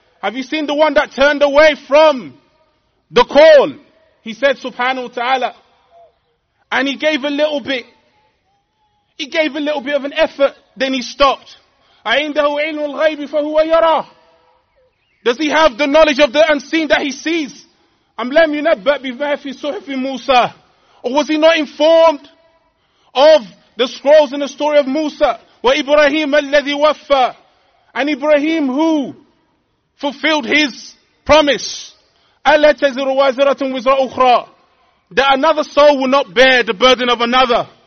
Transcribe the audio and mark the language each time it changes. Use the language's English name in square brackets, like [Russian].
[English] Have you seen the one that turned away from the call? He said, subhanahu wa ta'ala. And he gave a little bit. He gave a little bit of an effort, then he stopped. [Arabic] عنده علم الغيب فهو يراه. [English] Does he have the knowledge of the unseen that he sees? [Arabic] أم لم ينبأ بما في صحف موسى. [English] Or was he not informed of the scrolls in the story of Musa? [Arabic] وإبراهيم الذي وفى. [English] And Ibrahim who fulfilled his promise. [Arabic] ألا تزر وازرة وزر أخرى. [English] That another soul will not bear the burden of another.